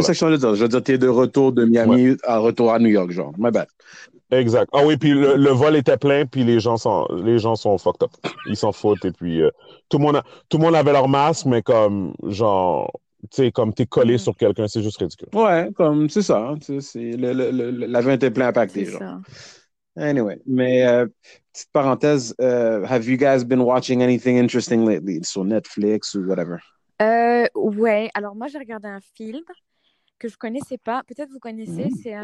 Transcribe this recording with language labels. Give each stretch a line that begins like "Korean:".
French: C'est ça que je voulais dire. Je veux dire, t'es de retour de Miami à retour à New York, genre.
English: My bad.
French: Exact. Ah oui, puis le vol était plein, puis les gens sont
English: fucked up.
French: Ils s'en foutent, et puis tout le monde avait leur masque, mais comme, genre, tu sais, comme t'es collé sur quelqu'un, c'est juste ridicule. Ouais, comme, c'est ça. C'est l'avion était plein impacté, genre. C'est ça.
English: Anyway,
French: mais petite parenthèse,
English: have you guys been watching anything interesting lately
French: sur Netflix ou
English: whatever?
French: Ouais, alors moi j'ai regardé un film que je connaissais pas, peut-être vous connaissez, c'est un